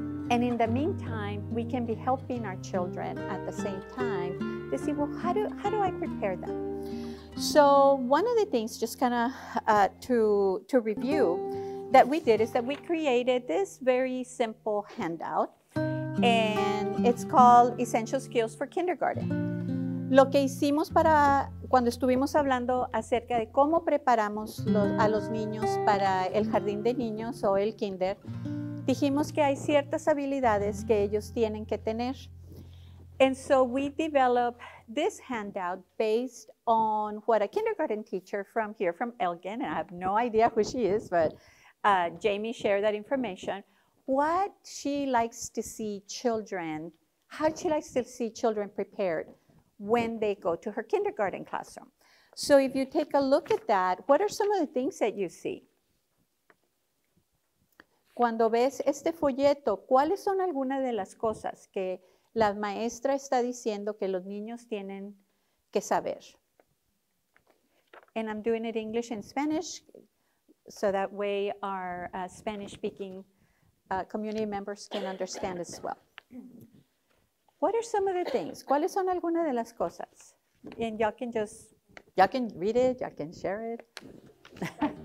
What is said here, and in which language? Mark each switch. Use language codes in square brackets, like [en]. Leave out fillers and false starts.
[en] And in the meantime, we can be helping our children at the same time to see, well, how do I prepare them? So one of the things, just kind of to review, that we did is that we created this very simple handout, and it's called Essential Skills for Kindergarten. [es] Lo que hicimos para cuando estuvimos hablando acerca de cómo preparamos a los niños para el jardín de niños o el kinder, dijimos que hay ciertas habilidades que ellos tienen que tener. [en] And so we developed this handout based on what a kindergarten teacher from here, from Elgin, and I have no idea who she is, but Jamie shared that information, what she likes to see children, how she likes to see children prepared when they go to her kindergarten classroom. So if you take a look at that, what are some of the things that you see? [es] Cuando ves este folleto, ¿cuáles son algunas de las cosas que la maestra está diciendo que los niños tienen que saber? [en] And I'm doing it English and Spanish, so that way our Spanish-speaking community members can understand as well. What are some of the things? [es] ¿Cuáles son algunas de las cosas? [en] And y'all can read it, y'all can share it.